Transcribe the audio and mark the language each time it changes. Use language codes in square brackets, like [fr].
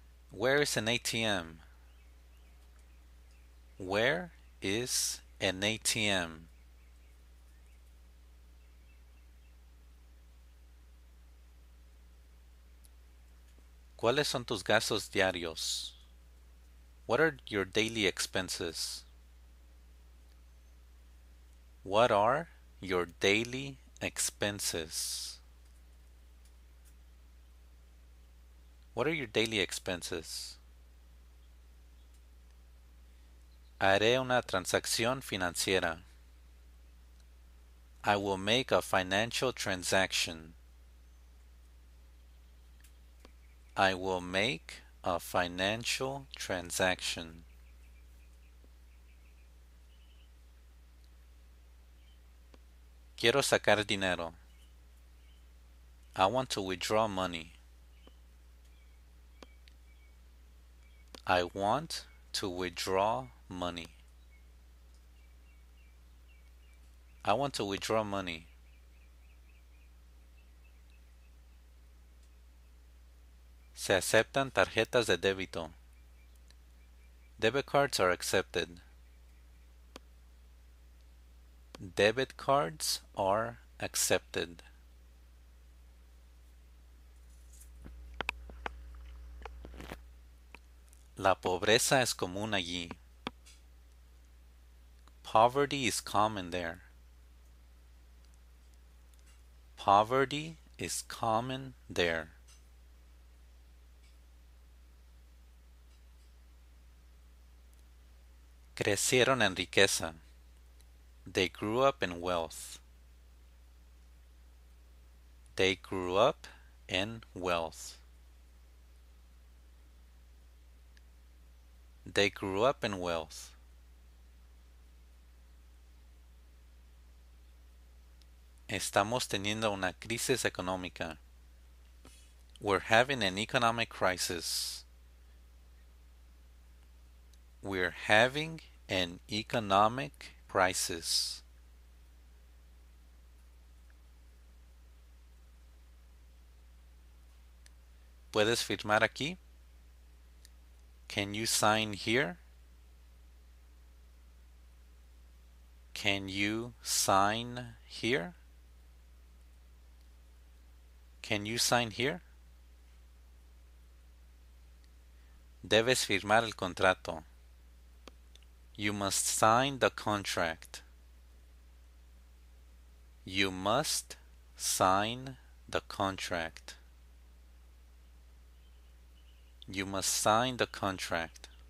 [en] Where is an ATM? Where is an ATM? [es] ¿Cuáles son tus gastos diarios? [en] What are your daily expenses? What are your daily expenses? What are your daily expenses? [es] Haré una transacción financiera. [en] I will make a financial transaction. I will make a financial transaction. [es] Quiero sacar dinero. [en] I want to withdraw money. I want to withdraw money. I want to withdraw money. [es] Se aceptan tarjetas de débito. [en] Debit cards are accepted. Debit cards are accepted. [es] La pobreza es común allí. [en] Poverty is common there. Poverty is common there. [es] Crecieron en riqueza. [en] They grew up in wealth. They grew up in wealth. They grew up in wealth. [es] Estamos teniendo una crisis económica. [en] We're having an economic crisis. We're having an economic crisis. [es] ¿Puedes firmar aquí? [en] Can you sign here? Can you sign here? Can you sign here? [es] Debes firmar el contrato. [en] You must sign the contract. You must sign the contract. You must sign the contract.